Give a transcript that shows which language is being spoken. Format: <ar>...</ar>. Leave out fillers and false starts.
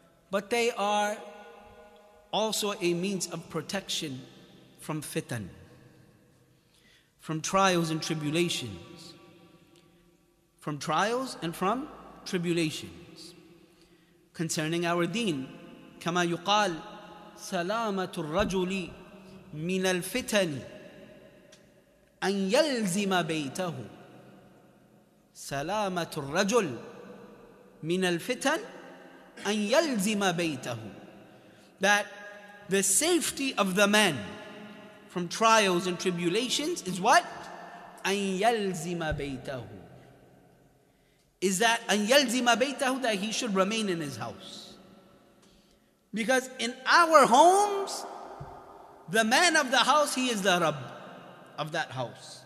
<en>But they are also a means of protection from fitan, from trials and tribulations, from trials and from tribulations. concerning our deen.</en> <ar>كما يقال سلامة الرجل من الفتن أن يلزم بيته سلامة الرجل من الفتن أن يلزم بيته.</ar> <en>That the safety of the man from trials and tribulations is what?</en> <ar>أن يلزم بيته.</ar> <en>Is that</en> <ar>أن يلزم بيته,</ar> <en>that he should remain in his house. Because in our homes, the man of the house, he is the Rabb of that house.</en>